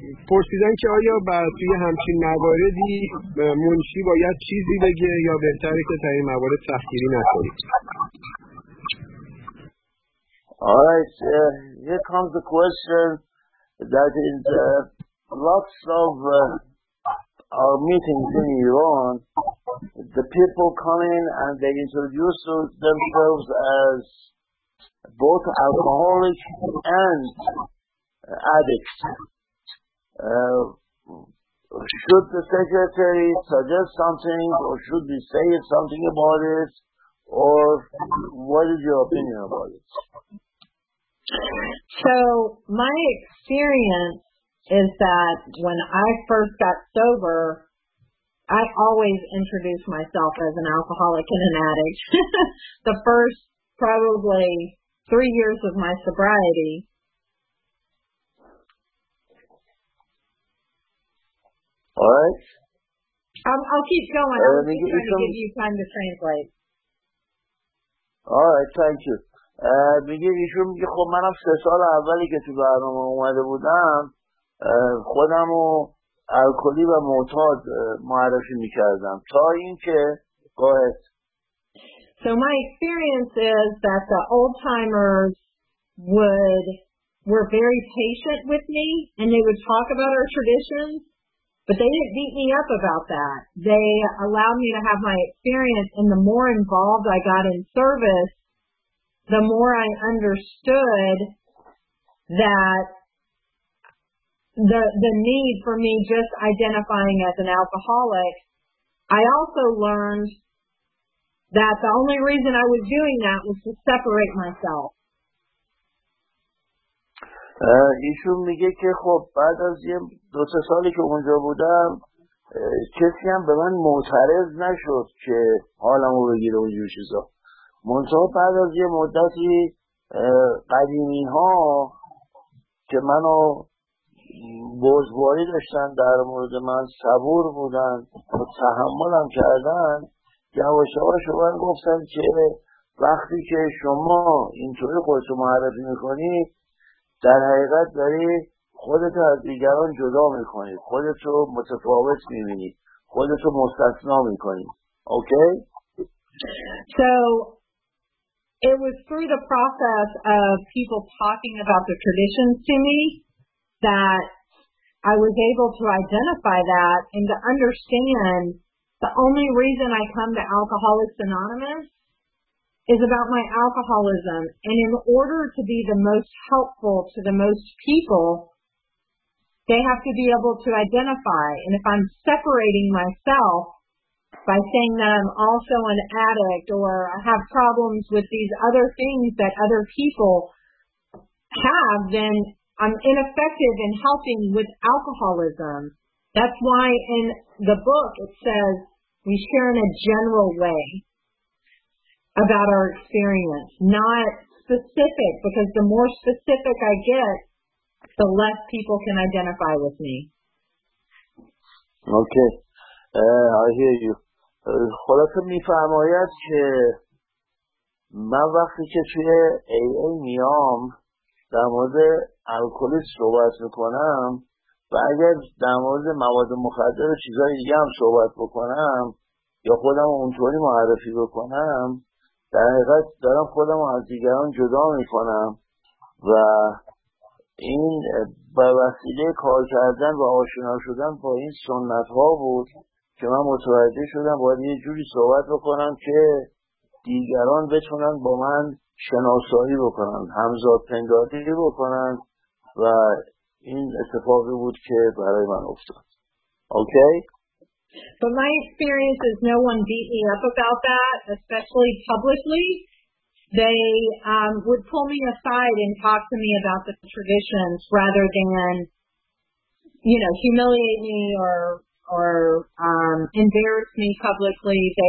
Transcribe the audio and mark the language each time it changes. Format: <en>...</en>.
<fa>پرسیدن که آیا بعد توی همچین مواردی منشی باید چیزی بگه یا بهتره که در این موارد سختگیری نکنید؟</fa> <en>Alright, here comes the question that in the lots of our meetings in Iran, the people come in and they introduce themselves as both alcoholic and addicts. Should the secretary suggest something or should we say something about it, or what is your opinion about it? So my experience is that when I first got sober, I always introduced myself as an alcoholic and an addict. The first probably 3 years of my sobriety. All right. I'll keep going. I'm just trying to give you time to translate. All right. Thank you.</en> <fa>میگه ایشون میگه خب منم 3 سال اولی که تو برنامه اومده بودم خودم رو الکلی و معتاد معرفی میکردم تا اینکه قاعد.</fa> <en>So my experience is that the old timers were very patient with me and they would talk about our traditions, but they didn't beat me up about that. They allowed me to have my experience, and the more involved I got in service, the more I understood that the need for me just identifying as an alcoholic. I also learned that the only reason I was doing that was to separate myself.</en> <fa>ایشون میگه که خب بعد از یه دو سه سالی که اونجا بودم کسی هم به من معترض نشد که حالمو بگیره اونجور چیزا. منطقه بعد از یه مدتی قدیمی ها که منو بزرگواری داشتن در مورد من صبور بودن و تحملم کردن، یواش یواش به من گفتن که وقتی که شما اینطوری خودتو معرفی میکنید در حقیقت داری خودت از دیگران جدا میکنی، خودت رو متفاوت میبینی، خودت رو مستثنا میکنی. اوکی؟</fa> <en>So it was through the process of people talking about the traditions to me that I was able to identify that and to understand the only reason I come to Alcoholics Anonymous is about my alcoholism, and in order to be the most helpful to the most people, they have to be able to identify. And if I'm separating myself by saying that I'm also an addict or I have problems with these other things that other people have, then I'm ineffective in helping with alcoholism. That's why in the book it says we share in a general way about our experience, not specific, because the more specific I get, the less people can identify with me. Okay, I hear you.</en> <fa>خلاصه میفرماید که من وقتی که توی AA میام در مورد الکلیست صحبت میکنم و اگر در مورد مواد مخدر و چیزهای دیگه هم صحبت بکنم یا خودم اونطوری معرفی بکنم، در حقیقت دارم خودم رو از دیگران جدا می کنم و این به وسیله کار کردن و آشنا شدن با این سنت ها بود که من متوجه شدم باید یه جوری صحبت بکنم که دیگران بتونن با من شناسایی بکنن، همزاد پنداری بکنن، و این اتفاقی بود که برای من افتاد. اوکی؟</fa> <en>But my experience is no one beat me up about that, especially publicly. They would pull me aside and talk to me about the traditions rather than, you know, humiliate me or embarrass me publicly.</en>